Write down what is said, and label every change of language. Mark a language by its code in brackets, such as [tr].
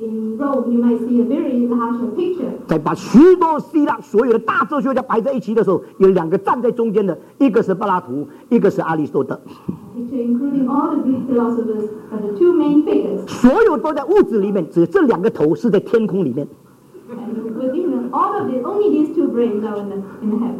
[en] In Rome, you might see a very large picture. [zh] 在把许多希腊所有的大哲学家摆在一起的时候，有两个站在中间的，一个是柏拉图，一个是阿里斯多德。 [en] Including all the Greek philosophers, the two main figures. [zh] 所有都在屋子里面，只有这两个头是在天空里面。 [en] And within all of it, only these two brains are in the heaven.